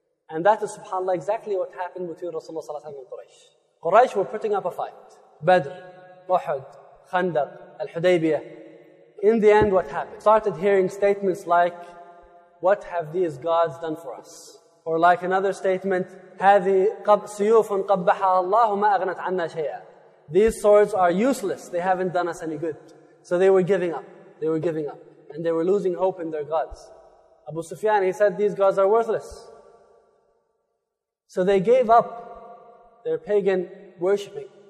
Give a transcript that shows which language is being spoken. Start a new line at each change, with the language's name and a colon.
English: And that is, subhanAllah, exactly what happened between Rasulullah sallallahu alayhi wa sallam and Quraysh. Quraysh were putting up a fight. Badr, Uhud, Khandaq, Al-Hudaybiyah. In the end, what happened? Started hearing statements like, what have these gods done for us? Or like another statement,
Arabic: هَذِي سُيُوفٌ قَبَّحَ اللَّهُ مَا أَغْنَتْ عَنَّا شَيْئًا.
English: These swords are useless. They haven't done us any good. So they were giving up. They were giving up. And they were losing hope in their gods. Abu Sufyan, he said, these gods are worthless. So they gave up their pagan worshipping.